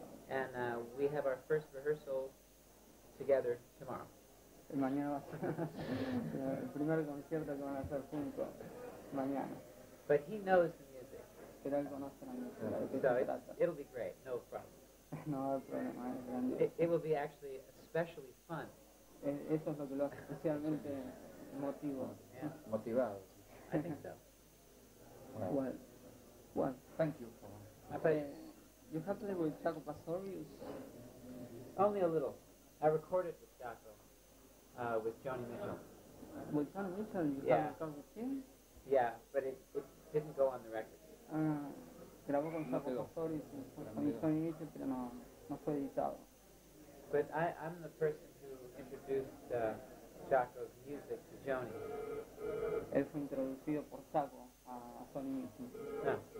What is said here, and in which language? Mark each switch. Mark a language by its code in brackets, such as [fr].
[en] and we have our first rehearsal together tomorrow. [es] mañana va a ser el primer concierto que van a hacer juntos mañana. [en] But he knows the music. [es] Pero él conoce la música. [en] It'll be great, no problem. [es] No hay problema, es grande. [en] It will be actually especially fun. [es] Eso es lo que lo hace especialmente motivo. [en] Yeah. [es] Motivado. [en] I think so. Well, well, thank you for my pleasure. You have played with Jaco Pastorius? Only a little. I recorded with Jaco, with Joni Mitchell. With Joni Mitchell, you have recorded with him? Yeah, but it didn't go on the record. [es] Grabó con Jaco Pastorius y Joni Mitchell, pero no fue editado. [en] But I'm the person who introduced Jaco's music to Joni. [es] Él fue introducido por Jaco a Joni Mitchell.